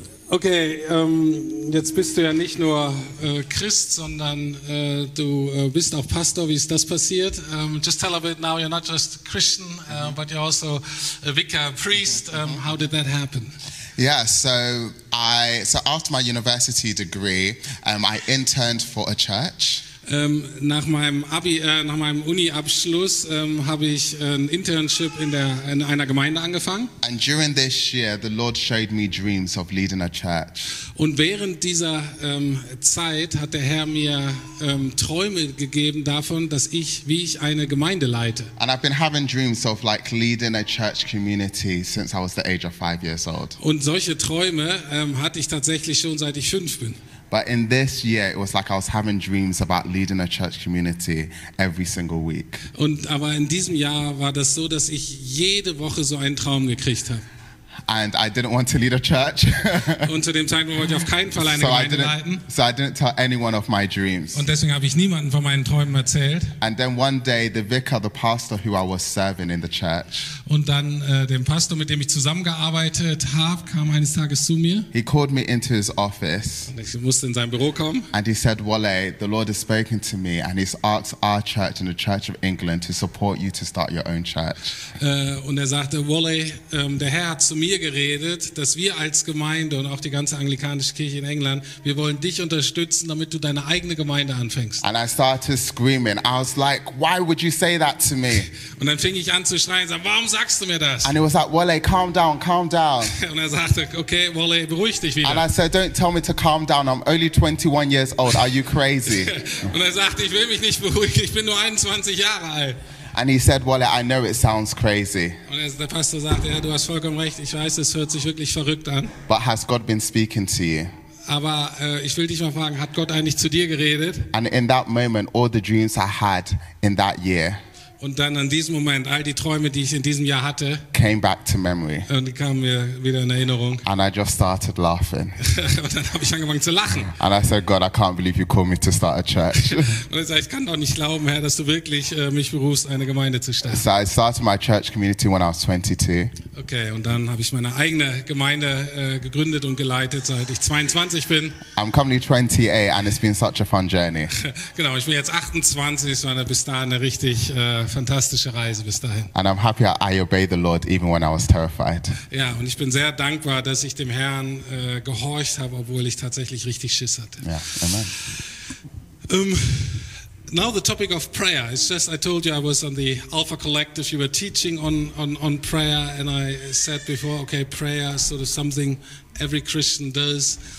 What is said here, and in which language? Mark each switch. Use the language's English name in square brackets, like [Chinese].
[German] Okay, jetzt bist du ja nicht nur Christ, sondern du bist auch Pastor. Wie ist das passiert? [English] Just tell a bit now, you're not just Christian, but you're also a vicar, a priest. How did that happen? Yeah, so after my university degree, I interned for a church. [German] Nach meinem Uni-Abschluss habe ich ein Internship in einer Gemeinde angefangen. [English] And during this year, the Lord showed me dreams of leading a church. [German] Und während dieser Zeit hat der Herr mir Träume gegeben davon, wie ich eine Gemeinde leite. [English] And I've been having dreams of like leading a church community since I was the age of 5 years old. [German] Und solche Träume hatte ich tatsächlich schon seit ich 5 bin. [English] But in this year, it was like I was having dreams about leading a church community every single week. [German] Aber in diesem Jahr war das so, dass ich jede Woche so einen Traum gekriegt habe. [English] And I didn't want to lead a church. [German] Und zu dem Zeitpunkt wollte ich auf keinen Fall eine Gemeinde leiten. [English] So I didn't tell anyone of my dreams. [German] Und deswegen habe ich niemanden von meinen Träumen erzählt. [English] And then one day the vicar, the pastor who I was serving in the church. [German] Und dann dem Pastor, mit dem ich zusammengearbeitet habe, kam eines Tages zu mir. [English] He called me into his office. [German] Und ich musste in sein Büro kommen. [English] And he said, Wole, the Lord has spoken to me and he's asked our church and the Church of England to support you to start your own church. [German] Und er sagte, Wole, der Herr hat zu mir geredet, dass wir als Gemeinde und auch die ganze anglikanische Kirche in England, wir wollen dich unterstützen, damit du deine eigene Gemeinde anfängst. [English] And I started screaming. I was like, why would you say that to me? [German] Und dann fing ich an zu schreien, sag, warum sagst du mir das? [English] And he was like, Wole, calm down, calm down. [German] Und er sagte, okay, Wole, beruhig dich wieder. [English] And I said, don't tell me to calm down. I'm only 21 years old. Are you crazy? [German] Und er sagte, ich will mich nicht beruhigen. Ich bin nur 21 Jahre alt. [English] And he said, Wole, I know it sounds crazy. [German] Und der Pastor sagte, ja, du hast vollkommen recht, ich weiß, es hört sich wirklich verrückt an. [English] But has God been speaking to you? [German] Aber ich will dich mal fragen, hat Gott eigentlich zu dir geredet? [English] And in that moment, all the dreams I had in that year. [German] Und dann an diesem Moment all die Träume, die ich in diesem Jahr hatte, [English] came back to memory. [German] Und die kamen mir wieder in Erinnerung. [English] And I just started laughing. [German] Und dann habe ich angefangen zu lachen. [English] And I said, God, I can't believe you called me to start a church. [German] Und ich sage, ich kann doch nicht glauben, Herr, dass du wirklich mich berufst, eine Gemeinde zu starten. [English] So I started my church community when I was 22. [German] Okay, und dann habe ich meine eigene Gemeinde gegründet und geleitet, seit ich 22 bin. [English] I'm currently 28 and it's been such a fun journey. [German] Genau, ich bin jetzt 28, es war bis dahin eine richtig fantastische Reise bis dahin. [English] And I'm happy I obey the Lord even when I was terrified. [German] Ja, und ich bin sehr dankbar, dass ich dem Herrn gehorcht habe, obwohl ich tatsächlich richtig Schiss hatte. Ja, amen. [English] Now the topic of prayer. It's just I told you I was on the Alpha Collective. You were teaching on prayer, and I said before, okay, prayer is sort of something every Christian does.